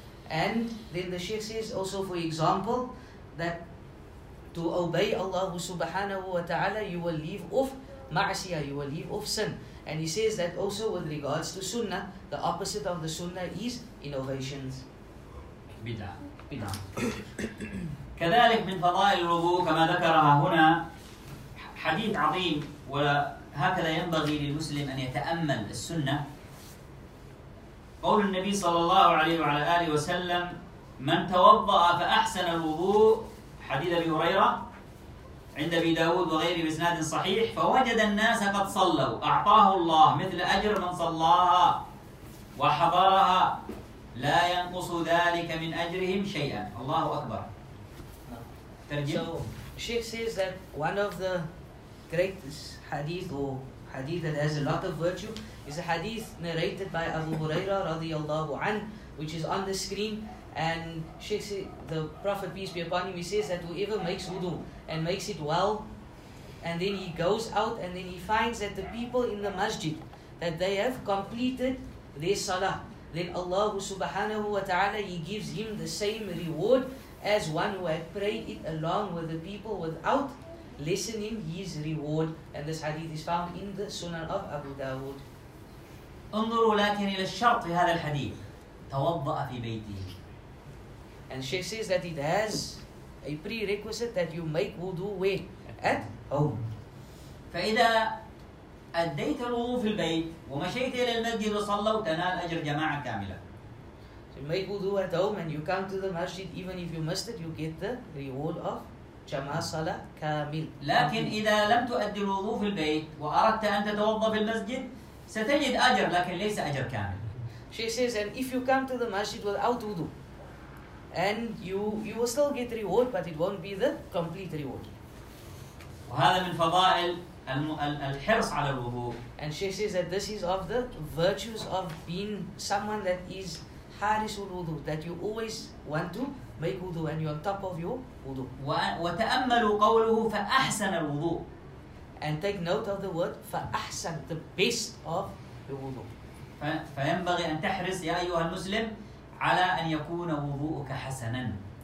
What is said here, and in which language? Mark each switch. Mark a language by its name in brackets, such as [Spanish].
[English] And then the Sheikh says also for example, that to obey Allah subhanahu wa ta'ala, you will leave off ma'asiyah, you will leave off sin. And he says that also with regards to sunnah, the opposite of the sunnah is innovations. Bid'ah. Bid'ah. [Arabic] كذلك من فضائل الوضوء كما ذكرها هنا حديث عظيم وهكذا ينبغي للمسلم أن يتأمل السنة قول النبي صلى الله عليه وعلى آله وسلم من توضأ فأحسن الوضوء حديث أبي هريرة عند أبي داود وغيره بإسناد صحيح فوجد الناس قد صلوا أعطاه الله مثل أجر من صلاها وحضرها لا ينقص ذلك من أجرهم شيئا الله أكبر ترجم [English] So Sheikh says that one of the greatest hadith or hadith that has a lot of virtue is a hadith narrated by Abu Huraira [Arabic] رضي الله عنه [English] which is on the screen and Sheikh says, the Prophet peace be upon him he says that whoever makes wudu and makes it well, and then he goes out, and then he finds that the people in the masjid, that they have completed their salah, then Allah subhanahu wa ta'ala, He gives him the same reward as one who had prayed it along with the people without lessening his reward. And this hadith is found in the Sunan of Abu Dawood. [Arabic] انظروا لكن إلى الشرط في هذا الحديث توضأ في بيته. [English] And Sheikh says that it has a prerequisite that you make wudu where? At home. [Arabic] فإذا أديت الوضوء في البيت ومشيت إلى المسجد وصلى وتنال أجر جماعة كاملة. [English] So you make wudu at home and you come to the masjid, even if you missed it, you get the reward of [Arabic] جماعة صلاة كامل. لكن إذا لم تؤدي الوضوء في البيت وأردت أن تتوضأ في المسجد ستجد أجر لكن ليس أجر كامل. [English] She says, and if you come to the masjid without wudu, and you will still get reward, but it won't be the complete reward. [Arabic] وهذا من فضائل الحرص على الوضوء. [English] And she says that this is of the virtues of being someone that is [Arabic] حارس الوضوء, [English] that you always want to make wudu and you're on top of your wudu. [Arabic] وتأملوا قوله فأحسن الوضوء. [English] And take note of the word فأحسن, the best of the wudu. [Arabic] فينبغي أن تحرص يا أيها المسلم على أن يكون وضوءك حسناً.